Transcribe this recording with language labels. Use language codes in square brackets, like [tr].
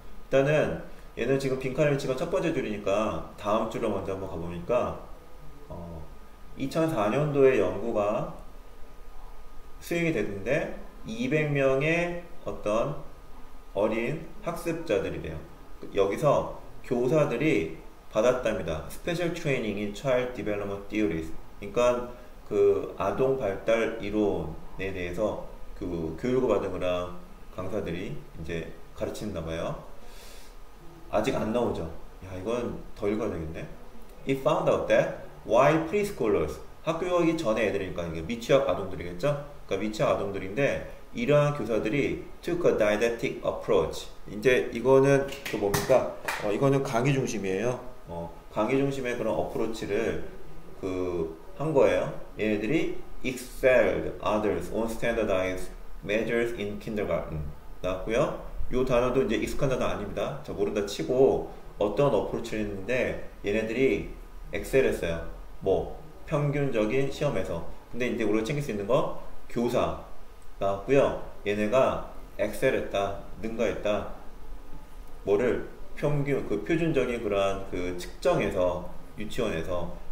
[ko] 일단은 얘는 지금 빈칸을 치면 첫 번째 줄이니까 다음 줄로 먼저 한번 가보니까 2004년도에 연구가 수행이 됐는데 200명의 어떤 어린 학습자들이래요. 여기서 교사들이 받았답니다. [en] Special Training in Child Development Theories. [ko] 그러니까 그 아동 발달 이론에 대해서 그 교육을 받은 거랑 강사들이 이제 가르치는가 봐요. 아직 안 나오죠. 야, 이건 더 읽어야 되겠네. [en] It found out that while preschoolers, [ko] 학교 가기 전에 애들이니까 이게 미취학 아동들이겠죠? 그러니까 미취학 아동들인데 이러한 교사들이 [en] took a didactic approach. [ko] 이제 이거는 그 뭡니까? 이거는 강의 중심이에요. 강의 중심의 그런 어프로치를 한 거예요. 얘네들이 [en] excelled others on standardized measures in kindergarten [ko] 나왔고요. 요 단어도 이제 익숙한 단어 아닙니다. 자, 모른다 치고, 어떤 어프로치를 했는데, 얘네들이 엑셀했어요. 뭐, 평균적인 시험에서. 근데 이제 우리가 챙길 수 있는 거, 교사 나왔고요. 얘네가 엑셀했다, 능가했다. 뭐를, 평균, 그 표준적인 그러한 그 측정에서, 유치원에서.